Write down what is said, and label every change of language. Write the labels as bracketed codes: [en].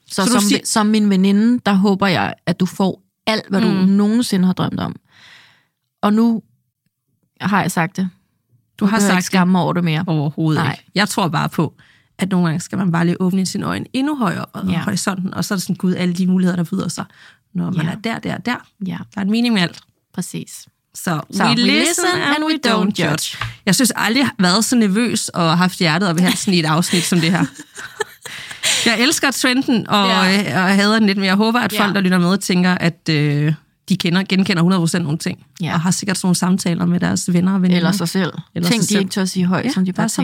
[da] Så som, som min veninde, der håber jeg, at du får alt, hvad du nogensinde har drømt om. Og nu har jeg sagt det. Du har sagt ikke skamme over det mere. Overhovedet nej. Ikke. Jeg tror bare på, at nogle gange skal man bare lige åbne sine øjne endnu højere op ad horisonten, og så er det sådan, gud, alle de muligheder, der byder sig, når man er der. Ja. Der er en mening med alt. Præcis. Så [en] we listen and we don't judge. [da] Jeg synes aldrig, jeg har været så nervøs og haft hjertet op i halsen i et afsnit som det her. Jeg elsker trenden og hader den lidt, men jeg håber, at folk, der lytter med, tænker, at... de genkender 100% nogle ting, og har sikkert sådan nogle samtaler med deres venner og veninder. Eller sig selv. De ikke tør at sige højt, som de bare tænker.